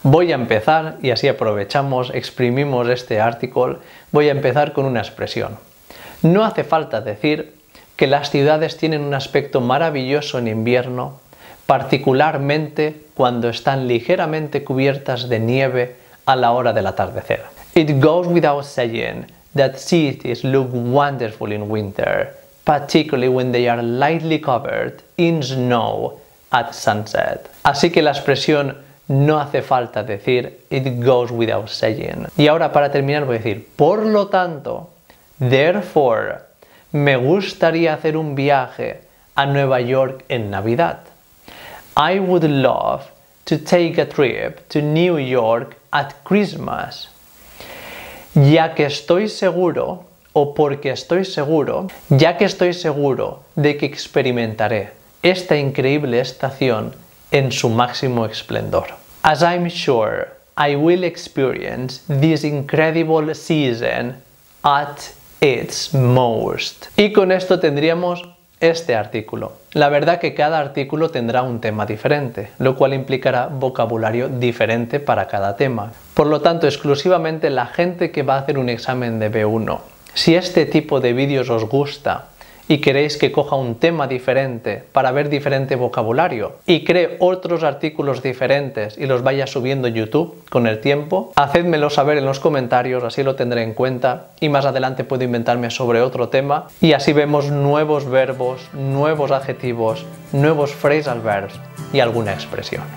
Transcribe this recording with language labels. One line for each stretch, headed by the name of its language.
Spanish: Voy a empezar y así aprovechamos, exprimimos este artículo. Voy a empezar con una expresión. No hace falta decir que las ciudades tienen un aspecto maravilloso en invierno, particularmente cuando están ligeramente cubiertas de nieve a la hora del atardecer.
English: It goes without saying that cities look wonderful in winter, particularly when they are lightly covered in snow at sunset.
Spanish: Así que la expresión no hace falta decir,
English: it goes without saying.
Spanish: Y ahora para terminar voy a decir, por lo tanto, therefore, me gustaría hacer un viaje a Nueva York en Navidad.
English: I would love to take a trip to New York at Christmas.
Spanish: Ya que estoy seguro, o porque estoy seguro, ya que estoy seguro de que experimentaré esta increíble estación en su máximo esplendor.
English: As I'm sure I will experience this incredible season at It's most.
Spanish: Y con esto tendríamos este artículo. La verdad que cada artículo tendrá un tema diferente, lo cual implicará vocabulario diferente para cada tema. Por lo tanto, exclusivamente la gente que va a hacer un examen de B1. Si este tipo de vídeos os gusta y queréis que coja un tema diferente para ver diferente vocabulario y cree otros artículos diferentes y los vaya subiendo YouTube con el tiempo, hacédmelo saber en los comentarios, así lo tendré en cuenta y más adelante puedo inventarme sobre otro tema y así vemos nuevos verbos, nuevos adjetivos, nuevos phrasal verbs y alguna expresión.